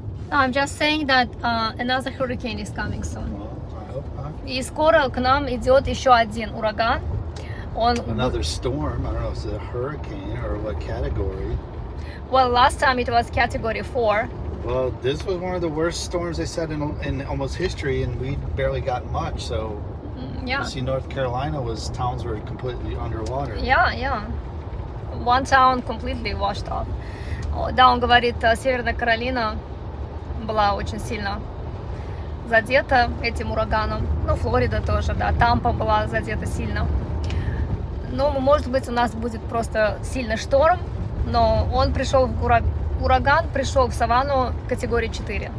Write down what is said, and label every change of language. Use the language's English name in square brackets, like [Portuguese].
[English] I'm just saying that another hurricane is coming soon. [Russian] И скоро к нам идет еще один ураган. Он... [English] Another storm. I don't know if it's a hurricane or what category. Well, last time it was category 4. Well, this was one of the worst storms, they said, in almost history, and we barely got much, so... Yeah. You see, North Carolina was, towns were completely underwater. Yeah. One town completely washed off. [Russian] Да, он говорит, Северная Каролина была очень сильно задета этим ураганом. Ну, Флорида тоже, да, Тампа была задета сильно. Ну, может быть, у нас будет просто сильный шторм, но он пришел в ураган, пришел в саванну категории 4.